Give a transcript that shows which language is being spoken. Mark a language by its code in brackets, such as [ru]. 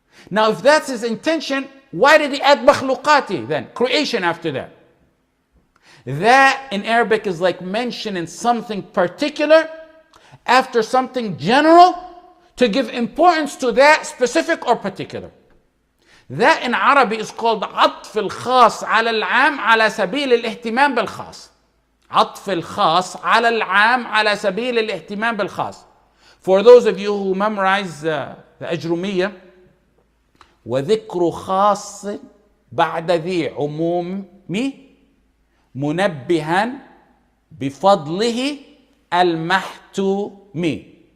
[en] Now if that's his intention, why did he add makhluqati then, creation after that? That in Arabic is like mentioning something particular after something general to give importance to that specific or particular. That in Arabic is called [ar] عطف الخاص على العام على سبيل الاهتمام بالخاص. عطف الخاص على العام على سبيل الاهتمام بالخاص. [en] For those of you who memorize the Ajrumiyya, [ar] وذكر خاص بعد ذي عمومي منبها بفضله المحتومي.